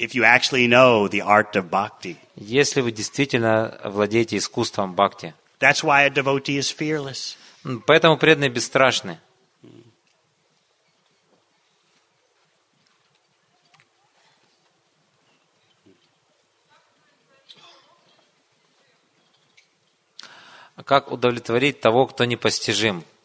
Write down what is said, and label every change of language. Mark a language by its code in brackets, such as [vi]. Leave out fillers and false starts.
[en] If you actually know the art of bhakti. [ru] Если вы действительно владеете искусством бхакти. [en] That's why a devotee is fearless. [ru] Поэтому преданные бесстрашны. Как удовлетворить того, кто непостижим?